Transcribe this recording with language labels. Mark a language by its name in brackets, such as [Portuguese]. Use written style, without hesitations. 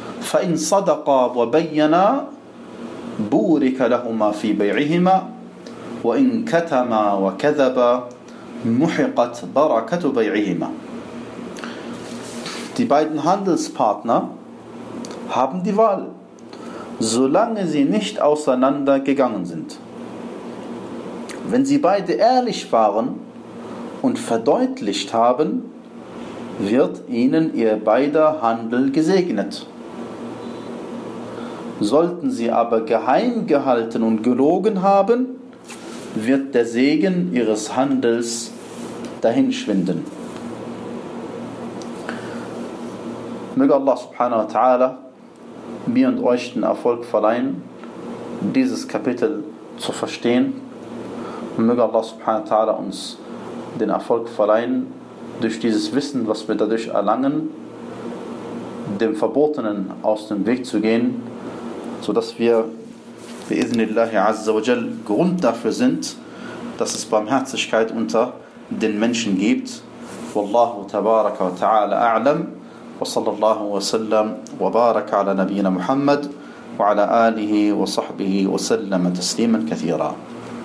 [Arabic] فَإِنْ صَدَقَا وَبَيَّنَا بُورِكَ لَهُمَا فِي بَيْعِهِمَا وَإِنْ كَتَمَا وَكَذَبَا مُحِقَتْ بَرَكَةُ بَيْعِهِمَا. [German] Die beiden Handelspartner, haben die Wahl, solange sie nicht auseinander gegangen sind. Wenn sie beide ehrlich waren und verdeutlicht haben, wird ihnen ihr beider Handel gesegnet. Sollten sie aber geheim gehalten und gelogen haben, wird der Segen ihres Handels dahinschwinden. Möge Allah subhanahu wa ta'ala mir und euch den Erfolg verleihen, dieses Kapitel zu verstehen. Und möge Allah subhanahu wa ta'ala uns den Erfolg verleihen, durch dieses Wissen, was wir dadurch erlangen, dem Verbotenen aus dem Weg zu gehen, sodass wir bi'iznillahi azza wa jal Grund dafür sind, dass es Barmherzigkeit unter den Menschen gibt. [Arabic] Wallahu tabaraka wa ta'ala a'lam. وصلى الله وسلم وبارك على نبينا محمد وعلى آله وصحبه وسلم تسليما كثيرا